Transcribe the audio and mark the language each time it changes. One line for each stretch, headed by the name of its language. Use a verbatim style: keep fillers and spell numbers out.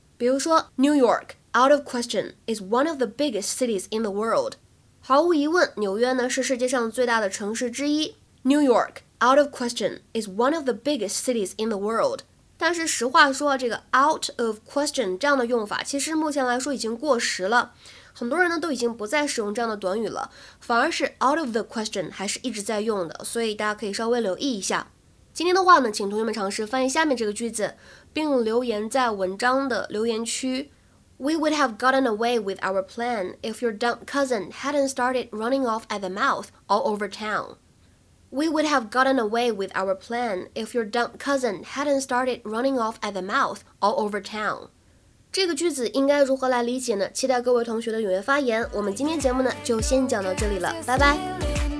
Chinese: 比如说
English: New York out of question is one of the biggest cities in the world。
Chinese: 毫无疑问，纽约呢是世界上最大的城市之一。
English: New York out of question is one of the biggest cities in the world。
Chinese: 但是实话说，这个
English: out of question
Chinese: 这样的用法其实目前来说已经过时了，很多人呢都已经不再使用这样的短语了，反而是
English: out of the question
Chinese: 还是一直在用的，所以大家可以稍微留意一下。今天的话呢，请同学们尝试翻译下面这个句子，并留言在文章的留言区。
English: We would have gotten away with our plan if your dumb cousin hadn't started running off at the mouth all over town. We would have gotten away with our plan if your dumb cousin hadn't started running off at the mouth all over town。
Chinese: 这个句子应该如何来理解呢？期待各位同学的踊跃发言。我们今天节目呢，就先讲到这里了，拜拜。